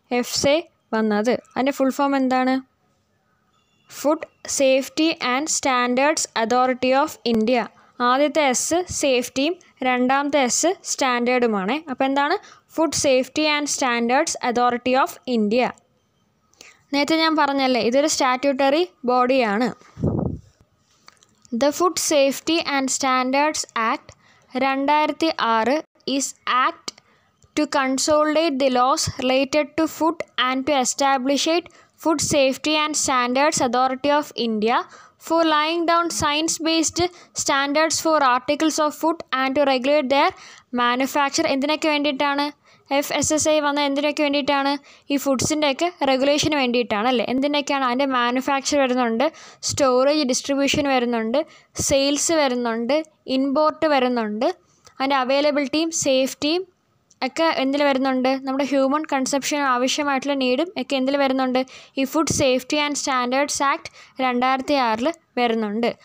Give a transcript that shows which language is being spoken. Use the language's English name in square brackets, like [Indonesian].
[Malayalam] FSA വന്നത്. അതിൻ്റെ full form എന്താണ്? Food safety and standards authority of India. ആദ്യത്തെ S സേഫ്റ്റിയും രണ്ടാമത്തെ S സ്റ്റാൻഡേർഡുമാണ്. അപ്പോൾ എന്താണ് food safety and standards authority of India? നേരത്തെ ഞാൻ പറഞ്ഞല്ലേ ഇതൊരു സ്റ്റാറ്റ്യൂട്ടറി ബോഡിയാണ്. [English] The Food Safety and Standards Act 2006 is act to consolidate the laws related to food and to establish it Food Safety and Standards Authority of India for laying down science-based standards for articles of food and to regulate their manufacture. [Malayalam] എന്തിനൊക്കെ വേണ്ടിയിട്ടാണ് FSSAI വന്ന എന്തിനൊക്കെ വേണ്ടിയിട്ടാണ് ഈ ഫുഡ്സിൻ്റെയൊക്കെ റെഗുലേഷന് വേണ്ടിയിട്ടാണ് അല്ലേ. എന്തിനൊക്കെയാണ് അതിൻ്റെ manufacture വരുന്നുണ്ട്, സ്റ്റോറേജ് ഡിസ്ട്രിബ്യൂഷൻ വരുന്നുണ്ട്, സെയിൽസ് വരുന്നുണ്ട്, ഇമ്പോർട്ട് വരുന്നുണ്ട്, അതിൻ്റെ അവൈലബിലിറ്റിയും സേഫ്റ്റിയും ഒക്കെ എന്തിൽ വരുന്നുണ്ട്, നമ്മുടെ ഹ്യൂമൻ കൺസെപ്ഷൻ ആവശ്യമായിട്ടുള്ള നീഡും ഒക്കെ എന്തിൽ വരുന്നുണ്ട്, ഈ food safety and standards act 2006 വരുന്നുണ്ട്.